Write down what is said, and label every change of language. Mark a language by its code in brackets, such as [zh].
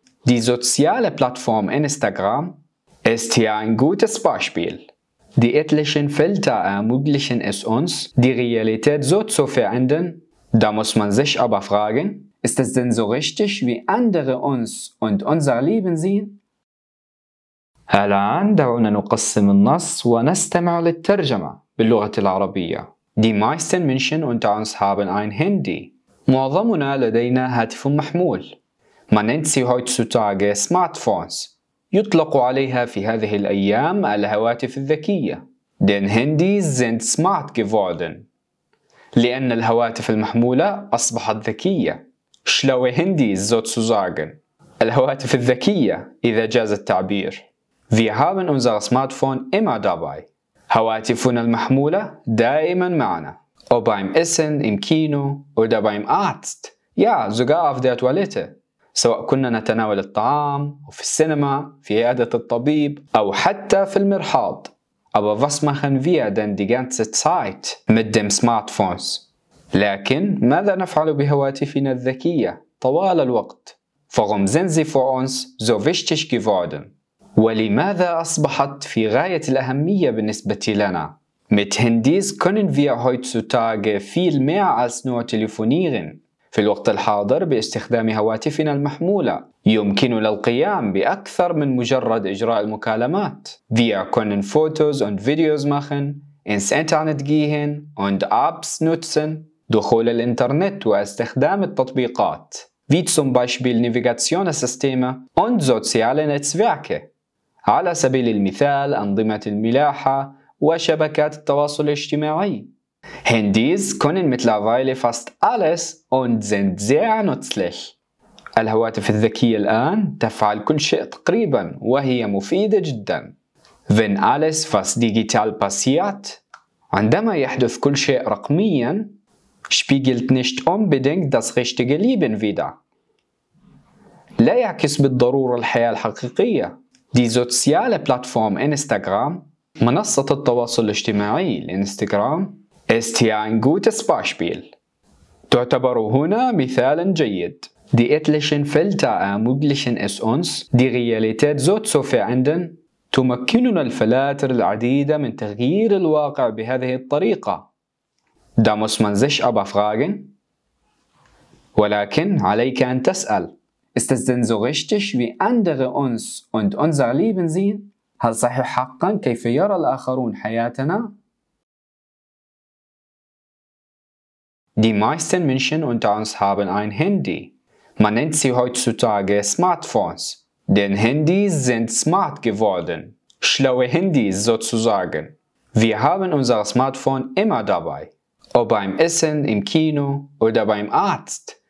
[de] Die soziale Plattform Instagram ist hier ein gutes Beispiel. Die etlichen Filter ermöglichen es uns, die Realität so zu verändern. Da muss man sich aber fragen, ist es denn so richtig, wie andere uns und unser Leben sehen? [ar] الآن دعونا نقسم النص ونستمع للترجمة باللغة العربية. [de] Die meisten Menschen unter uns haben ein Handy. [ar] معظمنا لدينا هاتف محمول. [de] Man nennt sie heutzutage Smartphones. [ar] يطلق عليها في هذه الأيام الهواتف الذكية. [de] Denn Handys sind smart geworden. [ar] لأن الهواتف المحمولة أصبحت ذكية. [de] Schlaue Handys sozusagen. [ar] الهواتف الذكية إذا جاز التعبير. [de] Wir haben unser Smartphone immer dabei. [ar] هواتفنا المحمولة دائما معنا. أو [de] beim Essen, im Kino oder beim Arzt. Ja, sogar auf der Toilette. [ar] سواء كنا نتناول الطعام أو في السينما في عيادة الطبيب أو حتى في المرحاض. [de] Aber was machen wir denn die ganze Zeit mit dem Smartphones? [ar] لكن ماذا نفعل بهواتفنا الذكية طوال الوقت? [de] Warum sind sie für uns so wichtig geworden? [ar] ولماذا أصبحت في غاية الأهمية بالنسبة لنا؟ [de] Mit Handys können wir heutzutage viel mehr als nur telefonieren. [ar] في الوقت الحاضر باستخدام هواتفنا المحمولة يمكننا القيام بأكثر من مجرد إجراء المكالمات. [de] Wir können Fotos und Videos machen, ins Internet gehen und Apps nutzen, [ar] دخول الإنترنت واستخدام التطبيقات [de] wie zum Beispiel Navigationssysteme und soziale Netzwerke. [ar] على سبيل المثال أنظمة الملاحة وشبكات التواصل الاجتماعي. [de] Handys können mittlerweile fast alles und sind sehr nützlich. [ar] الهواتف الذكية الآن تفعل كل شيء تقريبا وهي مفيدة جدا. [de] Wenn alles fast digital passiert, [ar] عندما يحدث كل شيء رقميا, [de] spiegelt nicht unbedingt das richtige Leben wider. [ar] لا يعكس بالضرورة الحياة الحقيقية. [de] Die soziale Plattform Instagram, [ar] منصة التواصل الاجتماعي الانستغرام, [de] ist hier ein gutes Beispiel. [ar] تعتبر هنا مثالا جيد. [de] Die etlichen Filter ermöglichen es uns, die Realität so zu verändern, [ar] تمكننا الفلاتر العديدة من تغيير الواقع بهذه الطريقة. [de] Da muss man sich aber fragen. [ar] ولكن عليك أن تسأل. [de] Ist es denn so richtig, wie andere uns und unser Leben sehen? [ar] هل صحيح حقا كيف يرى الآخرون حياتنا؟ [de] Die meisten Menschen unter uns haben ein Handy. Man nennt sie heutzutage Smartphones. Denn Handys sind smart geworden. Schlaue Handys sozusagen. Wir haben unser Smartphone immer dabei. Ob beim Essen, im Kino oder beim Arzt.